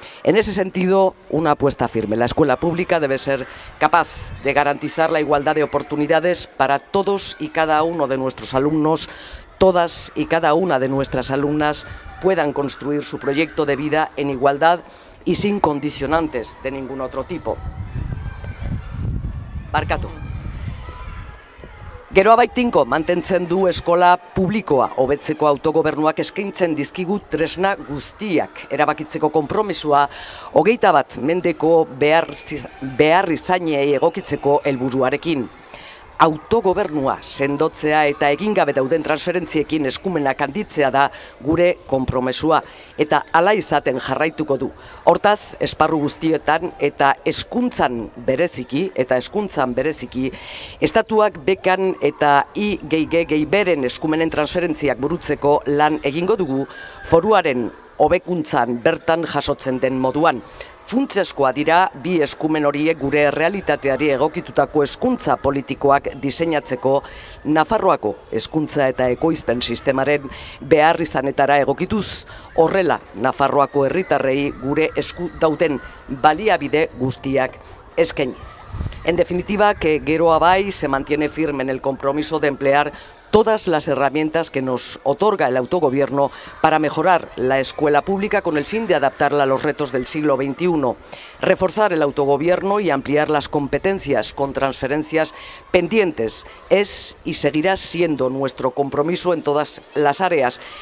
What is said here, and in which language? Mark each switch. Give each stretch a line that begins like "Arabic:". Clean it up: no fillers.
Spanish: En ese sentido, una apuesta firme. La escuela pública debe ser capaz de garantizar la igualdad de oportunidades para todos y cada uno de nuestros alumnos, todas y cada una de nuestras alumnas puedan construir su proyecto de vida en igualdad y sin condicionantes de ningún otro tipo.
Basque: Barkatu. Geroa baitinko, mantentzen du eskola publikoa, hobetzeko autogobernuak eskaintzen dizkigu tresna guztiak. Erabakitzeko konpromisua, 21 mendeko beharrizainei egokitzeko helburuarekin. Autogobernua sendotzea eta egin gabe dauden transferentziekin eskumenak handitzea da gure konpromisua eta hala izaten jarraituko du. Hortaz, esparru guztietan eta hezkuntzan bereziki estatuak bekan eta IGGBren eskumenen transferentziak burutzeko lan egingo dugu foruaren hobekuntzan bertan jasotzen den moduan. Funtsezkoa dira bi eskumen horiek gure realitateari egokitutako hezkuntza politikoak diseinatzeko Nafarroako hezkuntza eta ekoizpen sistemaren beharrizanetara egokituz, horrela Nafarroako herritarrei gure esku dauden baliabide guztiak eskainiz.
Spanish: En definitiva, que Geroa Bai se mantiene firme en el compromiso de emplear todas las herramientas que nos otorga el autogobierno para mejorar la escuela pública con el fin de adaptarla a los retos del siglo XXI, reforzar el autogobierno y ampliar las competencias con transferencias pendientes es y seguirá siendo nuestro compromiso en todas las áreas.